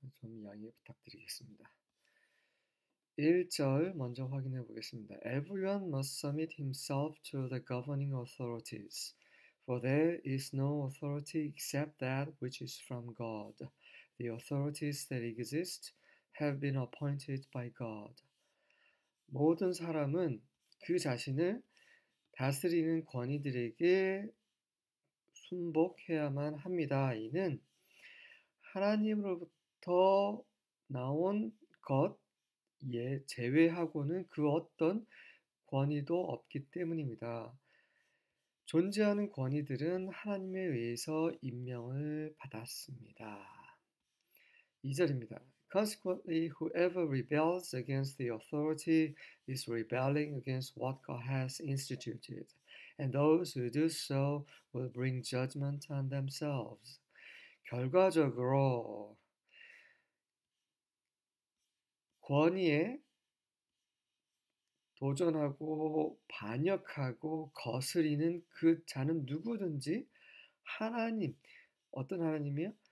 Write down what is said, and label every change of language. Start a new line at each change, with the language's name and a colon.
Korean: 좀 양해 부탁드리겠습니다. 1절 먼저 확인해 보겠습니다.
English: Everyone must submit himself to the governing authorities, for there is no authority except that which is from God. The authorities that exist have been appointed by God.
Korean: 모든 사람은 그 자신을 다스리는 권위들에게 순복해야만 합니다. 이는 하나님으로부터 나온 것, 예, 제외하고는 그 어떤 권위도 없기 때문입니다. 존재하는 권위들은 하나님에 의해서 임명을 받았습니다. 2절입니다.
English: Consequently, whoever rebels against the authority is rebelling against what God has instituted, and those who do so will bring judgment on themselves.
Korean: 결과적으로 권위에 도전하고 반역하고 거스리는 그 자는 누구든지 하나님, 어떤 하나님이요?